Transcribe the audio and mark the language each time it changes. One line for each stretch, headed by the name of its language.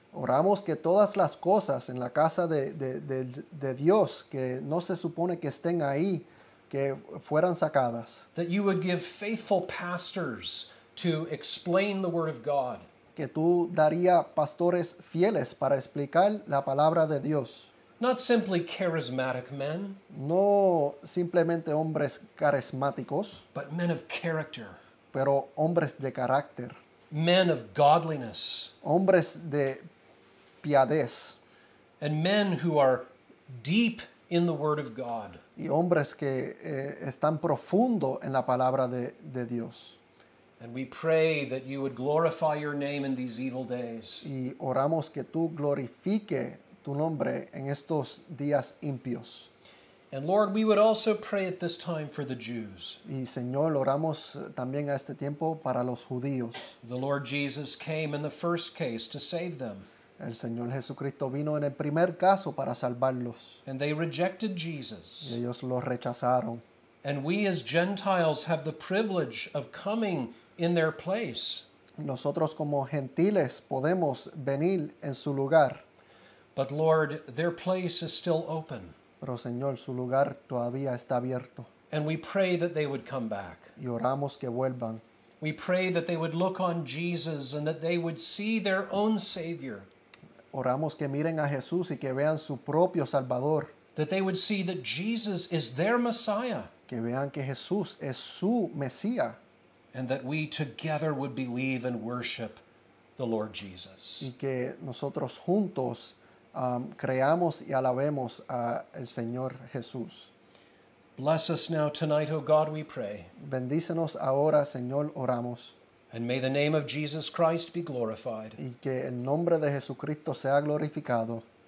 Spanish: Oramos que todas las cosas en la casa de Dios que no se supone que estén ahí, que fueran sacadas.
English: That you would give faithful pastors to explain the word of God.
Spanish: Que tú daría pastores fieles para explicar la palabra de Dios.
English: Not simply charismatic men.
Spanish: No simplemente hombres carismáticos.
English: But men of character.
Spanish: Pero hombres de carácter.
English: Men of godliness.
Spanish: Hombres de piedad.
English: And men who are deep in the Word of God.
Spanish: Y hombres que están profundo en la palabra de Dios.
English: And we pray that you would glorify your name in these evil days.
Spanish: Y oramos que tú glorifique tu nombre en estos días impios.
English: And Lord, we would also pray at this time for the Jews.
Spanish: Y Señor, oramos también a este tiempo para los judíos.
English: The Lord Jesus came in the first case to save them.
Spanish: El Señor Jesucristo vino en el primer caso para salvarlos.
English: And they rejected Jesus.
Spanish: Y ellos lo rechazaron.
English: And we as Gentiles have the privilege of coming in their place.
Spanish: Nosotros como gentiles podemos venir en su lugar.
English: But Lord, their place is still open.
Spanish: Pero Señor, su lugar todavía está abierto.
English: And we pray that they would come back.
Spanish: Y oramos que vuelvan.
English: We pray that they would look on Jesus and that they would see their own Savior.
Spanish: Oramos que miren a Jesús y que vean su propio Salvador.
English: That they would see that Jesus is their Messiah.
Spanish: Que vean que Jesús es su Mesías.
English: And that we together would believe and worship the Lord Jesus.
Spanish: Y que nosotros juntos creamos y alabemos a el Señor Jesús.
English: Bless us now tonight, O God, we pray.
Spanish: Bendícenos ahora, Señor, oramos.
English: And may the name of Jesus Christ be glorified.
Spanish: Y que el nombre de Jesucristo sea glorificado.